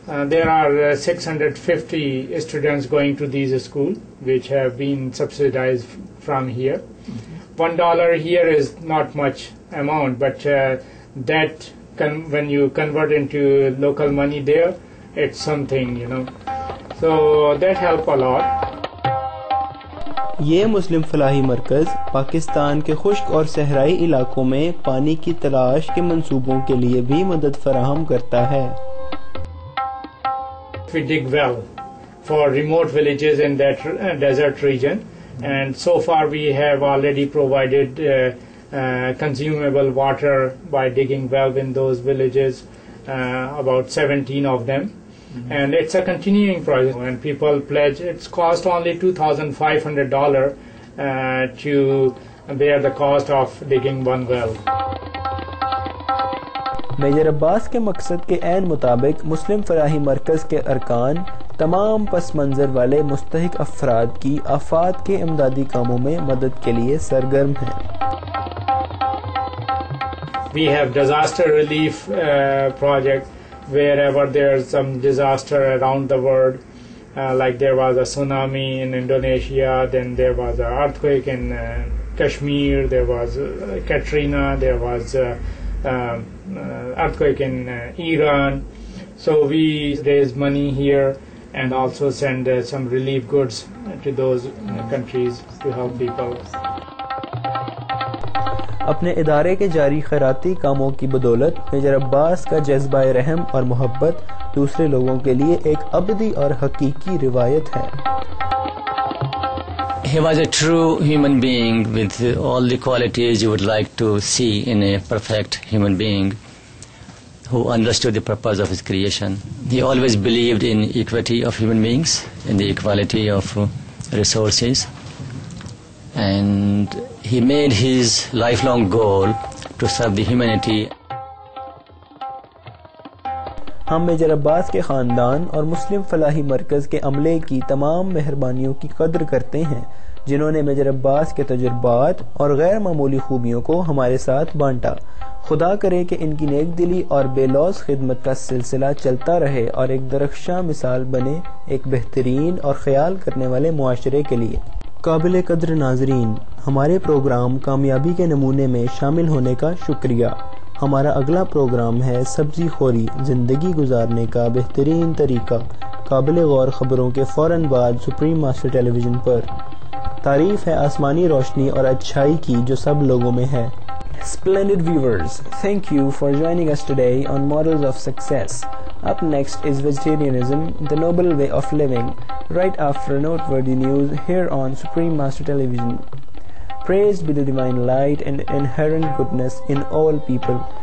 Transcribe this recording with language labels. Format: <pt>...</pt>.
<en>There are 650 students going to these schools which have been subsidized from here. Mm-hmm. $1 here is not much amount, but that can, when you convert into local money there, it's something, you know. So that help a lot.</en> <ur>یہ مسلم فلاحی مرکز پاکستان کے خشک اور صحرائی علاقوں میں پانی کی تلاش کے منصوبوں کے لیے بھی مدد فراہم کرتا ہے.</ur> <en>We dig well for remote villages in that desert region, and so far we have already provided consumable water by digging well in those villages, about 17 of them. Mm-hmm. And it's a continuing project, and people pledge. It's cost only $2,500 to bear the cost of digging one well.</en> <ur>Major عباس کے مقصد کے عین مطابق مسلم فلاحی مرکز کے ارکان تمام پس منظر والے مستحق افراد کی آفات کے امدادی کاموں میں مدد کے لیے سرگرم ہیں.</ur> <en>We have disaster relief project wherever there is some disaster around the world, like there was a tsunami in Indonesia, then there was an earthquake in Kashmir, there was Katrina, there was earthquake in Iran. So we raise money here and also send some relief goods to those countries to help people.</en> <ur>اپنے ادارے کے جاری خیراتی کاموں کی بدولت major عباس کا جذبہ رحم اور محبت دوسرے لوگوں کے لیے ایک ابدی اور حقیقی روایت ہے.</ur> <en>He was a true human being with all the qualities you would like to see in a perfect human being who understood the purpose of his creation. He always believed in equity of human beings, in the equality of resources, and he made his lifelong goal to serve the humanity.</en> <ur>ہم major عباس کے خاندان اور مسلم فلاحی مرکز کے عملے کی تمام مہربانیوں کی قدر کرتے ہیں جنہوں نے میجر عباس کے تجربات اور غیر معمولی خوبیوں کو ہمارے ساتھ بانٹا. خدا کرے کہ ان کی نیک دلی اور بے لوس خدمت کا سلسلہ چلتا رہے اور ایک درخشاں مثال بنے ایک بہترین اور خیال کرنے والے معاشرے کے لیے. قابل قدر ناظرین، ہمارے پروگرام کامیابی کے نمونے میں شامل ہونے کا شکریہ. ہمارا اگلا پروگرام ہے سبزی خوری، زندگی گزارنے کا بہترین طریقہ. قابل غور خبروں کے فوراً بعد سپریم ماسٹر ٹیلی ویژن پر. تعریف ہے آسمانی روشنی اور اچھائی کی جو سب لوگوں میں ہے.</ur> <en>Splendid viewers, thank you for joining us today on Models of Success. Up next is Vegetarianism, the Noble Way of Living, right after noteworthy news here on Supreme Master Television. Praised be the divine light and inherent goodness in all people.</en>